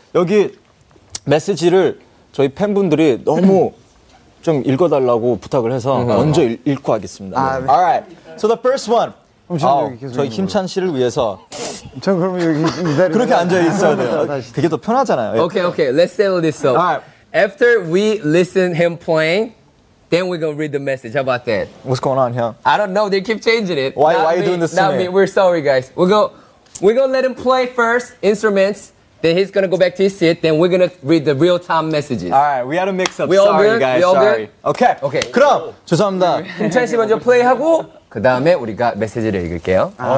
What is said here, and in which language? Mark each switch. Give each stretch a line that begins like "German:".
Korean: 여기 메시지를 저희 팬분들이 너무 좀 읽어달라고 부탁을 해서 먼저 읽고 하겠습니다. 아,
English: 네. All right. So the first one.
Korean: 저희 힘찬 씨를 위해서. 전 그럼 여기 기다려. 그렇게 앉아 있어야 돼요. 되게 더 편하잖아요.
English: Okay, okay. Let's settle this up. All right. After we listen him playing, then we're gonna read the message. How about that? What's going on, young? I don't know. They keep changing it. Why? Not why are you doing this to me? We're sorry, guys. We're gonna let him play first instruments. Then he's gonna go back to his seat, then we're gonna read the real-time messages. Alright, we had a mix-up. Sorry, all good? guys. We all sorry. Good? Okay. Okay.
Korean: 그럼, 죄송합니다. 김찬 씨 먼저 플레이하고, 그 다음에 우리가 메시지를 읽을게요.